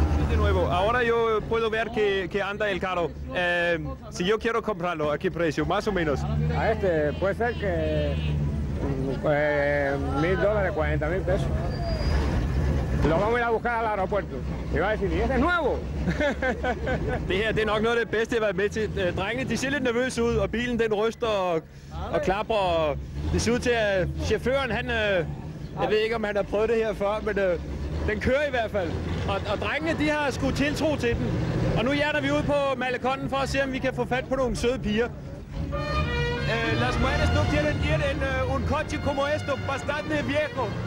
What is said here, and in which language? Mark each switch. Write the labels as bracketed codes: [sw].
[es] De nuevo, ahora yo puedo ver que anda el carro. Si yo quiero comprarlo, ¿a qué precio? Más o menos. A este, puede ser que $1,000, $40,000. Lo vamos a ir a buscar al aeropuerto. Y va a decir, ¿y este es nuevo? [da] Det her, det er nok noget af det bedste, jeg har været med til. Drengene, de ser lidt nervøse ud, og bilen den ryster og klapper. Og det ser ud til, at chaufføren, han, jeg ved ikke, om han har prøvet det her før, men den kører i hvert fald. Og drengene, de har sgu tiltro til den. Og nu hjerner vi ud på malekonden for at se, om vi kan få fat på nogle søde piger. [es] Las mujeres no tienen ir en un coche como esto, bastante viejo.